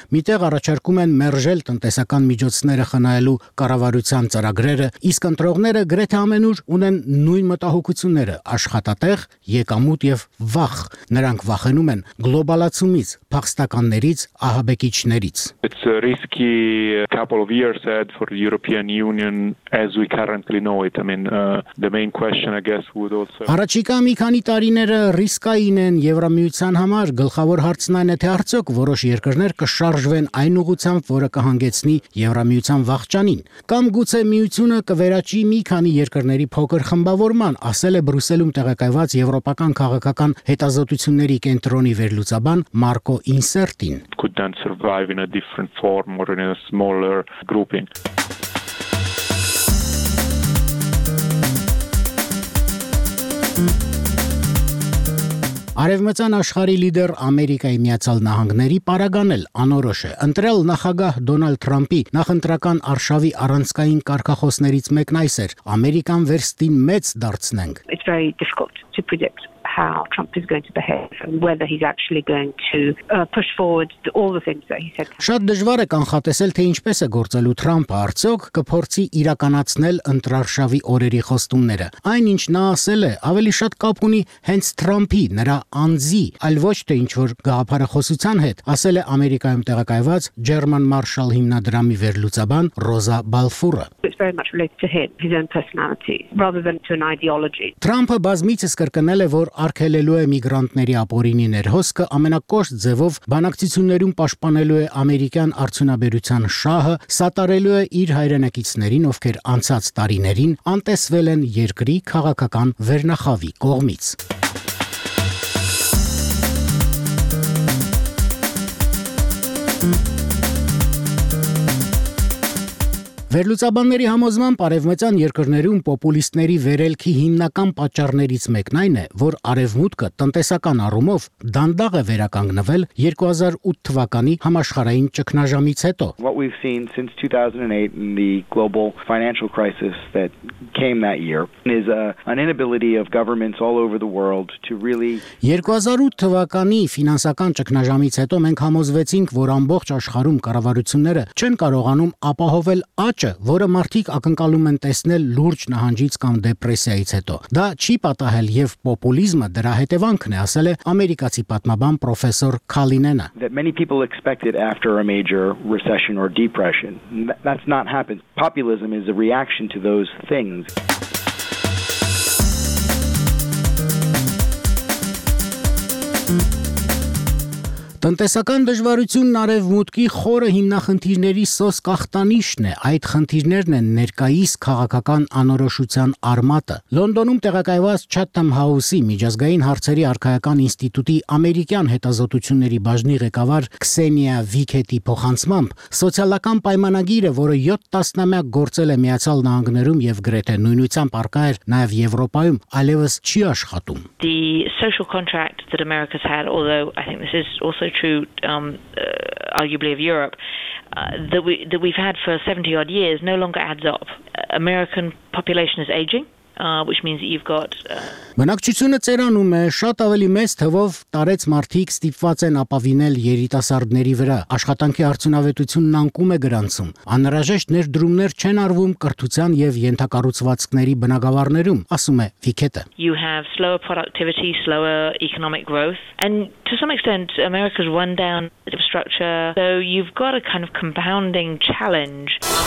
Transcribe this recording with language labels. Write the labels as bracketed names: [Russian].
[Armenian] միտեղ առաջարկում են մերժել տնտեսական միջոցները խնայելու կառավարության ծրագրերը, իսկ ընտրողները գրեթե ամենուր ունեն նույն մտահոգությունները՝ աշխատատեղ, եկամուտ եւ վախ։ Նրանք վախենում են գլոբալացումից, փախստականներից, ահաբեկիչներից։ [English] It's a risky couple of years ahead for the European Union as we currently know it. I mean, the main question I guess would also [Armenian] Արաջիկա մի քանի տարիները ռիսկային են Եվրամիության համար, գլխավոր հարցն այն է, թե արդյոք որոշ երկրներ կշարժվեն այն ուղությամբ, որը կհանգեցնի Եվրամիության վախճանին, կամ գուցե միությունը կվերաճի մի քանի երկրների փոքր խմբավորման, ասել է Բրյուսելում տեղակայված Եվրոպական քաղաքական հետազոտությունների կենտրոնի վերլուծաբան Մարկ Insertin. [English] Could then survive in a different form or in a smaller grouping. [Armenian] Արևմտյան աշխարհի լիդեր Ամերիկայի Միացյալ Նահանգների պարագանել անորոշ է ընտրել նախագահ Դոնալդ Թրամփի նախընտրական արշավի առանցքային կարգախոսներից մեկն այս էր. Ամերիկան վերստին մեծ դարձնենք. [English] It's very difficult to predict how Trump is going to behave and whether he's actually going to push forward all the things that he said. [Armenian] Շատ դժվար է կանխատեսել, թե ինչպես է գործելու Թրամփը, արդյոք կփորձի իրականացնել ընտրարշավի օրերի խոստումները։ Այնինչ նա ասել է, ավելի շատ կապ ունի հենց Թրամփի, նրա անձի, այլ ոչ թե ինչ-որ գաղափարախոսության հետ, ասել է Ամերիկայում տեղակայված German Marshall հիմնադրամի վերլուծաբան Ռոզա Բալֆուրը։ [English] It's very much related to him, his own personality, rather than to an ideology. [Armenian] Թրամփը բազմիցս կրկնել է, որ արգելելու է միգրանտների ապօրինի ներհոսքը, ամենակոշտ ձևով բանակցություններում պաշտպանելու է ամերիկյան արդյունաբերության շահը, սատարելու է իր հայրենակիցներին, ովքեր անցած տարիներին անտեսվել են երկրի քաղաքական վերնախավի կողմից։ Վերլուծաբանների համոզմամբ արևմտյան երկրներում պոպուլիստների վերելքի հիմնական պատճառներից մեկն այն է, որ արևմուտքը տնտեսական առումով դանդաղ է վերականգնվել 2008 թվականի համաշխարհային ճգնաժամից հետո։ [English] What we've seen since 2008 in the global financial crisis that came that year is an inability of governments all over the world to really [Armenian] 2008 թվականի ֆինանսական ճգնաժամից հետո մենք համոզվեցինք, որ ամբողջ աշխարհում կառավարությունները չեն կարողանում ապահովել աճը, որը մարդիկ ակնկալում են տեսնել լուրջ նահանջից կամ դեպրեսիայից հետո։ Դա չի պատահել եւ պոպուլիզմը դրա հետևանքն է, ասել է ամերիկացի պատմաբան պրոֆեսոր Քալինենը։ [English] That many people expected after a major recession or depression. That's not happened. Populism is a reaction to those things. Դ [Armenian] Տնտեսական դժվարությունն արևմուտքի խորը հիմնախնդիրների սոս կախտանիշն է։ Այդ խնդիրներն են ներկայիս քաղաքական անորոշության արմատը։ Լոնդոնում տեղակայված Chatham House-ի միջազգային հարցերի արքայական ինստիտուտի ամերիկյան հետազոտությունների բաժնի ղեկավար Քսենիա Վիքետի փոխանցմամբ սոցիալական պայմանագիրը, որը 7 տասնամյակ գործել է Միացյալ Նահանգներում եւ գրեթե նույնությամբ առկա էր նաեւ Եվրոպայում, այլևս չի աշխատում։ [English] The social contract that America's had, although I think this is also true arguably of Europe, that we've had for 70 odd years no longer adds up. American population is aging, which means that you've got [Armenian] Բնակչությունը ծերանում է, շատ ավելի մեծ թվով տարեց մարդիկ ստիպված են ապավինել երիտասարդների վրա, աշխատանքի արդյունավետությունն անկում է գրանցում, անհրաժեշտ ներդրումներ չեն արվում կրթության եւ ենթակառուցվածքների բնագավառներում, ասում է Վիքետը. [English] You have slower productivity, slower economic growth, and to some extent America's run down infrastructure, so you've got a kind of compounding challenge.